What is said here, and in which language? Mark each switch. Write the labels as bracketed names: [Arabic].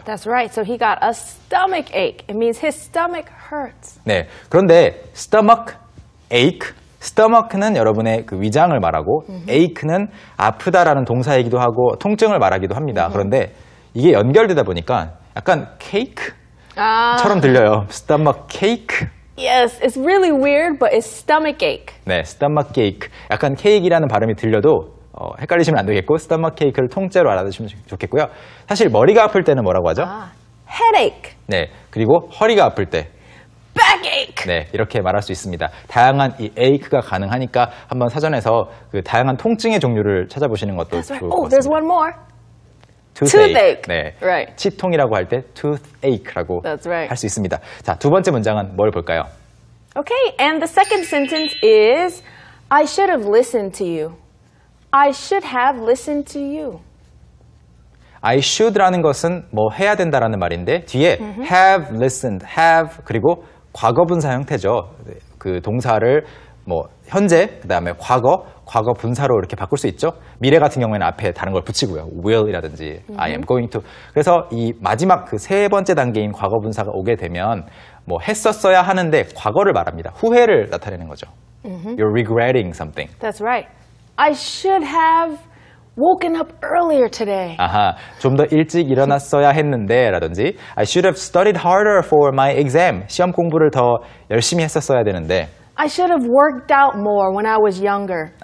[English] That's right. So he got a stomach ache. It means his stomach hurts. [Korean] 네. 그런데 stomach ache, stomach는 여러분의 그 위장을 말하고 ache는 아프다라는 동사이기도 하고 통증을 말하기도 합니다. 그런데 이게 연결되다 보니까 약간 cake처럼 들려요. [English] Stomach cake. Yes, it's really weird, but it's stomach ache. [Korean] 네, stomach ache. 약간 cake이라는 발음이 들려도 헷갈리시면 안 되겠고, stomach ache를 통째로 알아두시면 좋겠고요. 사실 머리가 아플 때는 뭐라고 하죠? [English] Headache. [Korean] 네, 그리고 허리가 아플 때. [English] Backache. [Korean] 네, 이렇게 말할 수 있습니다. 다양한 이 ache가 가능하니까 한번 사전에서 그 다양한 통증의 종류를 찾아보시는 것도 [English] That's right. [Korean] 좋을 것 같습니다. [English] Oh, there's one more. Toothache. 네. Right. [Korean] 치통이라고 할 때 toothache라고 [English] right. [Korean] 할 수 있습니다. 자, 두 번째 문장은 뭘 볼까요? [English] Okay, and the second sentence is I should have listened to you. I should have listened to you. [Korean] I should라는 것은 뭐 해야 된다라는 말인데 뒤에 have listened, have 그리고 과거분사 형태죠. 그 동사를 뭐 현재 그다음에 과거, 과거 분사로 이렇게 바꿀 수 있죠. 미래 같은 경우에는 앞에 다른 걸 붙이고요. [English] will이라든지 I am going to. [Korean] 그래서 이 마지막 그 세 번째 단계인 과거 분사가 오게 되면 뭐 했었어야 하는데 과거를 말합니다. 후회를 나타내는 거죠. [English] You're regretting something. That's right. I should have woken up earlier today. [Korean] 아하, 좀 더 일찍 일어났어야 했는데라든지 [English] I should have studied harder for my exam. [Korean] 시험 공부를 더 열심히 했었어야 되는데 [English] I should have worked out more when I was younger.